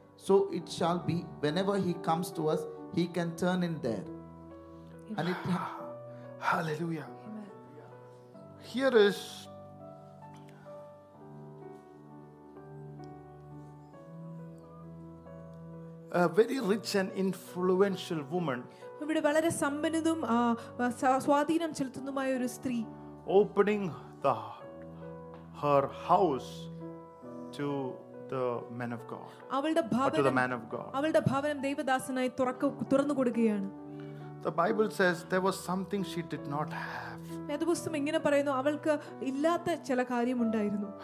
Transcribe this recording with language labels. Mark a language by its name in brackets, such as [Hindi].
[English] So it shall be whenever he comes to us, he can turn in there. And it, Hallelujah. Here is a very rich and influential woman. [Malayalam] ഇവിടെ വളരെ സമ്പന്നതും സ്വാധീനം ചെലുത്തുന്നതുമായ ഒരു സ്ത്രീ. [English] Opening the her house to the man of God. [Malayalam] അവളുടെ ഭവനം [English] to the man of God. [Malayalam] അവളുടെ ഭവനം ദൈവദാസനായി തുറന്നു കൊടുക്കുകയാണ്. [English] The Bible says there was something she did not have. [Malayalam] വേദപുസ്തകം ഇങ്ങനെ പറയുന്നു അവൾക്ക് ഇല്ലാത്ത ചില കാര്യം ഉണ്ടായിരുന്നു.